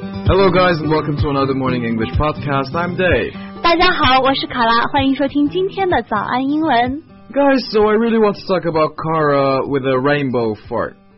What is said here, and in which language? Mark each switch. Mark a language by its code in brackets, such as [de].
[en] Hello guys and welcome to another Morning English podcast. I'm Dave. [zh] 大家好，我是卡拉，欢迎收听今天的早安英文。 [en] Guys, so I really want to talk about Kara with a rainbow fart.